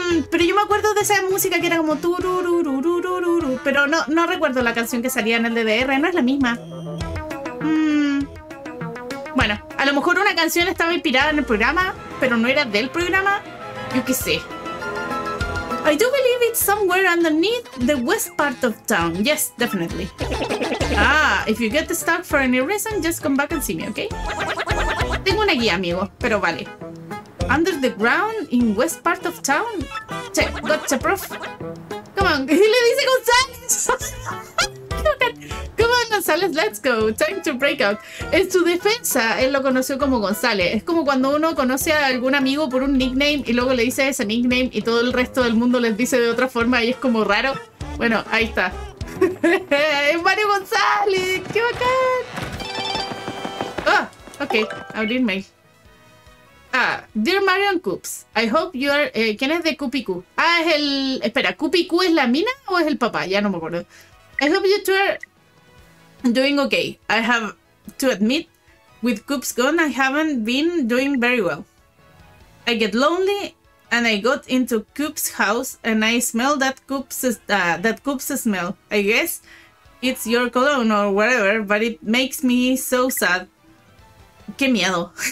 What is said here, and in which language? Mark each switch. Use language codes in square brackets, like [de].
[es] pero yo me acuerdo de esa música que era como turururururururu. Pero no recuerdo la canción que salía en el DDR, no es la misma. Bueno, a lo mejor una canción estaba inspirada en el programa, pero no era del programa. Yo qué sé. [en] I do believe it's somewhere underneath the west part of town. Yes, definitely. Ah, if you get stuck for any reason, just come back and see me, okay? [es] Tengo una guía, amigo, pero vale. [en] Under the ground in west part of town? Check, gotcha, prof. Come on, [es] y le dice González. [en] Come on, González, let's go. Time to break out. [es] En su defensa, él lo conoció como González. Es como cuando uno conoce a algún amigo por un nickname y luego le dice ese nickname y todo el resto del mundo les dice de otra forma y es como raro. Bueno, ahí está. Es Mario González. ¡Qué bacán! Ah, oh, ok. Abrir mail. [en] Dear Marion Coops, I hope you are... [es] ¿quién es de Coopy Coo? Ah, es el... Espera, ¿Coopy Coo es la mina o es el papá? Ya no me acuerdo. [en] I hope you two are doing okay. I have to admit, with Coops gone, I haven't been doing very well. I get lonely and I got into Coops' house and I smell that Coops' smell. I guess it's your cologne or whatever, but it makes me so sad. [es] Qué miedo.